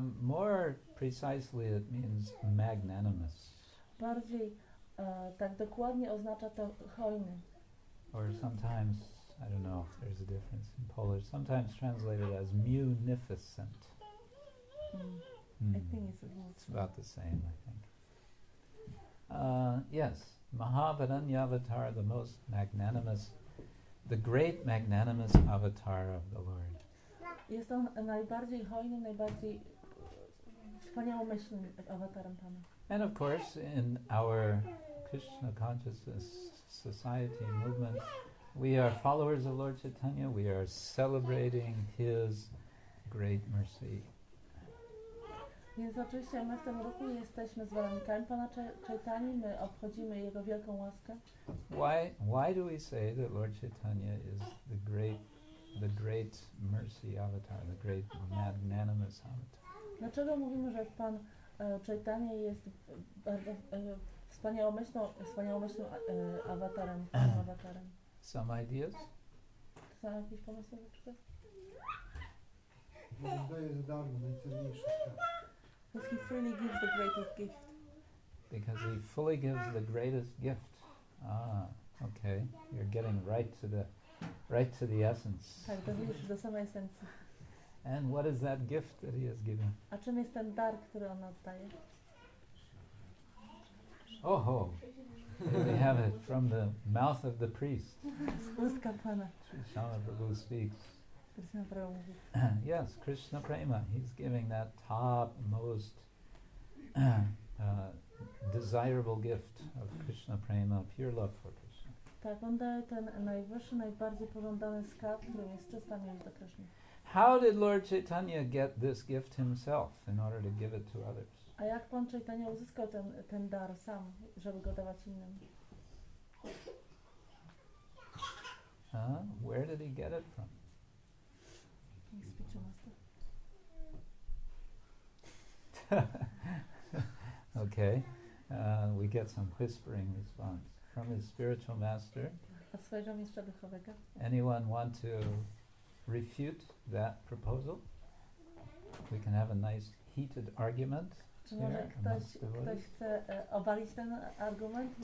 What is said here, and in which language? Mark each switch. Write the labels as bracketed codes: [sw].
[en] More precisely, it means magnanimous. [pl] Bardziej tak dokładnie oznacza to hojny. [en] Or sometimes, I don't know if there's a difference in Polish, sometimes translated as munificent. I think it's awesome. It's about the same, I think. Yes, Mahavadanyavatara, the most magnanimous. The great magnanimous avatar of the Lord. [pl] Jest on najbardziej hojny, najbardziej wspaniałomyślny awatarem Pana. [en] And of course, in our Krishna consciousness society movement, we are followers of Lord Chaitanya. We are celebrating his great mercy. [pl] Więc oczywiście my w tym roku jesteśmy zwolennikami Pana Chaitanyi, my obchodzimy Jego wielką łaskę. [en] Why do we say that Lord Chaitanya is the great mercy avatar, the great magnanimous avatar? [pl] Dlaczego mówimy, że Pan Chaitanya jest bardzo wspaniałomyślnym awatarem. [en] Some ideas? [pl] Są jakieś pomysły na przykład? Bo on daje za darmo najcenniejsze. [en] Because he freely gives the greatest gift. Because he fully gives the greatest gift. Ah, okay. You're getting right to the essence. [pl] Tak, dochodzisz do samej esencji. [en] And what is that gift that he has given? [pl] A czym jest ten dar, który on oddaje? Oh ho! [en] We have it from the mouth of the priest. [pl] Z ust kapłana. [en] Krishna Prabhu speaks. [pl] Krishna Prabhu mówi. [en] Yes, Krishna Prema. He's giving that top most desirable gift of Krishna Prema, pure love for Krishna. [pl] Tak, on daje ten najwyższy, najbardziej pożądany skarb, który jest czysta miłość do Krishna. [en] How did Lord Chaitanya get this gift himself in order to give it to others? [pl] A jak Pan Chaitanya uzyskał ten dar sam, żeby go dawać innym? [en] Where did he get it from? Speech master. Okay, we get some whispering response from his spiritual master. [pl] A swojego mistrza duchowego? [en] Anyone want to refute that proposal? We can have a nice heated argument. [pl] Ktoś chce obalić ten argument?